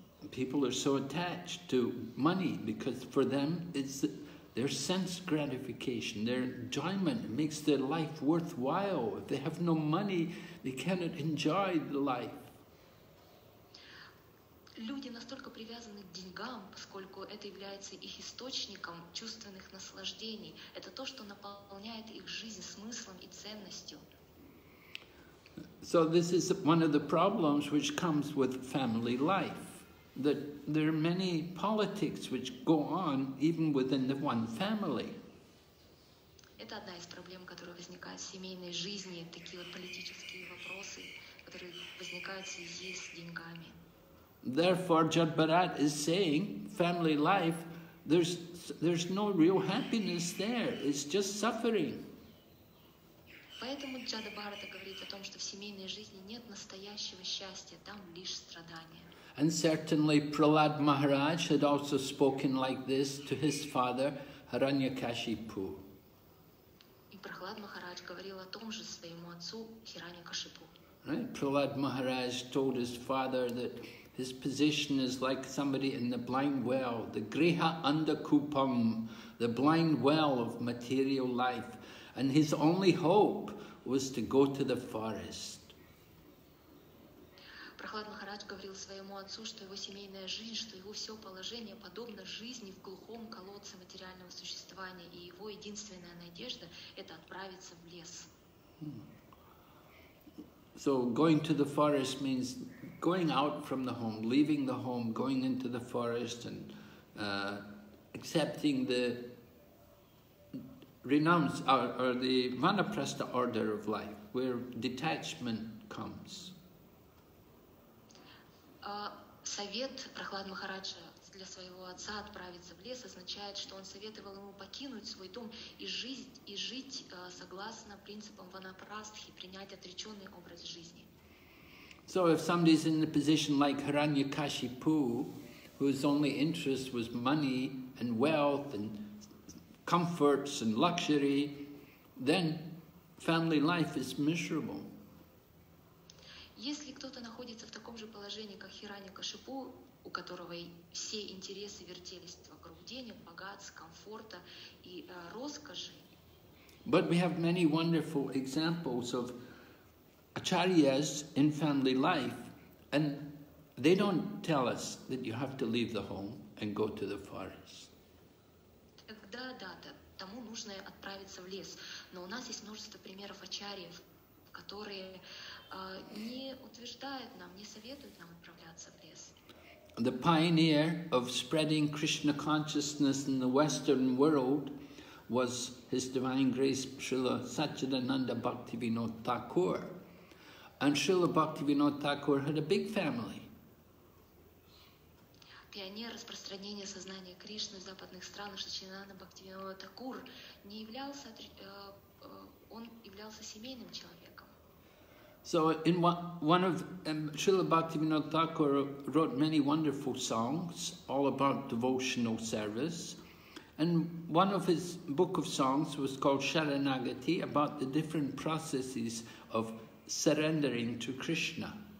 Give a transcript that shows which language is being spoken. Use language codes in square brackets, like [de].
[en] People are so attached to money because for them it's their sense gratification, their enjoyment makes their life worthwhile. If they have no money, they cannot enjoy the life. [ru] Люди настолько привязаны к деньгам, поскольку это является их источником чувственных наслаждений. Это то, что наполняет их жизнь смыслом и ценностью. [en] So this is one of the problems which comes with family life. That there are many politics which go on even within the one family. [ru] Это одна из проблем, которая возникает в семейной жизни, такие вот политические вопросы, которые возникают в связи с деньгами. [en] Therefore, Jad Bharat is saying, family life, there's no real happiness there. It's just suffering. [ru] Поэтому Джада Бхарата говорит о том, что в семейной жизни нет настоящего счастья, там лишь страдания. [en] And certainly Prahlad Maharaj had also spoken like this to his father, Hiranyakashipu. [ru] И Прахлад Махарадж говорил о том же своему отцу, Хираньякашипу. [en] Right? Prahlad Maharaj told his father that his position is like somebody in the blind well, the griha andakupam, the blind well of material life. And his only hope was to go to the forest. [ru] Прахлад Махарадж говорил своему отцу, что его семейная жизнь, что его все положение подобно жизни в глухом колодце материального существования, и его единственная надежда — это отправиться в лес. [en] So going to the forest means going out from the home, leaving the home, going into the forest and accepting the renounce or the vanaprastha order of life, where detachment comes. [ru] Совет Прахлад Махараджа для своего отца отправиться в лес означает, что он советовал ему покинуть свой дом и жить согласно принципам ванапрастхи, принять отреченный образ жизни. [en] So if somebody's in a position like Hiranyakashipu, whose only interest was money and wealth and comforts and luxury, then family life is miserable. [ru] Если кто-то находится в таком же положении, как Хиранья-Кашипу, у которого все интересы вертелись вокруг денег, богатств, комфорта и роскоши. [en] But we have many wonderful examples of acharyas in family life, and they don't tell us that you have to leave the home and go to the forest. [ru] Тогда, да, тому нужно отправиться в лес. Но у нас есть множество примеров ачарьев, которые не утверждают нам, не советуют нам отправляться в лес. [en] The pioneer of spreading Krishna consciousness in the Western world was His Divine Grace Srila Sachidananda Bhaktivinoda Thakur. And Srila Bhaktivinoda Thakur had a big family. [ru] Пионер распространения сознания Кришны в западных странах Сачидананда Бхактивинода Такур не являлся, он являлся семейным человеком. [en] So in one of Srila Bhaktivinoda Thakur wrote many wonderful songs all about devotional service, and one of his book of songs was called Sharanagati, about the different processes of surrendering to Krishna.